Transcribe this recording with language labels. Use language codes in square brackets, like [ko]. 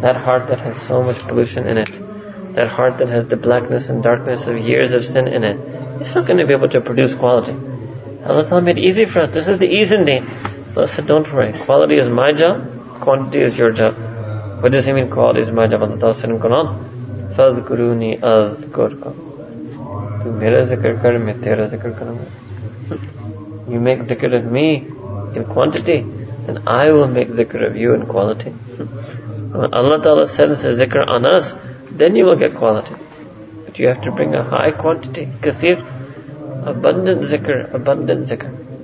[en] That heart that has so much pollution in it, that heart that has the blackness and darkness of years of sin in it, it's not going to be able to produce quality. Allah Ta'ala made it easy for us. This is the ease in deen. Allah said, don't worry. Quality is my job, quantity is your job. What does he mean, quality is my job? Allah Ta'ala said in Quran, [ar] فَذْكُرُونِي أَذْكُرْكُمْ [ur] تُو میرے ذکر کر میں تیرے ذکر کروں گا. [en] You make dhikr of me in quantity, then I will make dhikr of you in quality. When Allah Ta'ala sends a dhikr on us, then you will get quality. But you have to bring a high quantity, kathir, abundant dhikr, abundant dhikr.